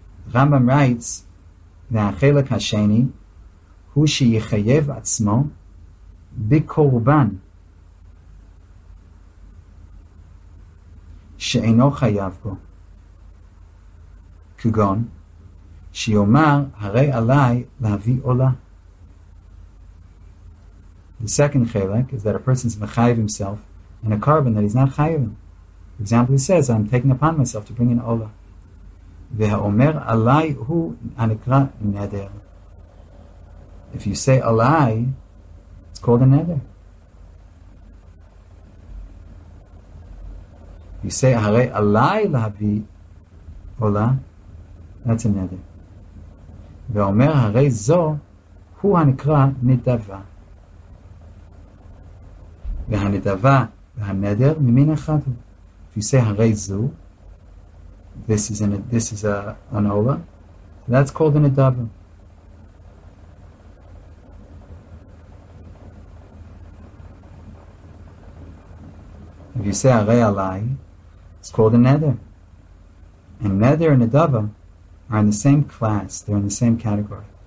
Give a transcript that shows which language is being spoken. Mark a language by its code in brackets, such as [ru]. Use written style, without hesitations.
[en] Rambam writes [he] והחלק השני הוא שיחייב עצמו בקורבן שאינו חייב בו, כגון שיאמר הרי עליי להביא עולה. [en] The second חלק is that a person is מחייב himself in a carbon that he's not חייב in. For example, he says, I'm taking upon myself to bring in עולה. [he] והאומר עליי הוא הנקרא נדר. [en] If you say עליי, it's called a nether. If you say הרי עליי להביא עולה, that's a nether. [he] ואומר הרי זו הוא הנקרא נדבה. והנדבה והנדר ממין אחד הוא. [en] If you say הרי זו, this is an ola, that's called a nedava. If you say arei alai, it's called a neder. And neder and nedava are in the same class, they're in the same category.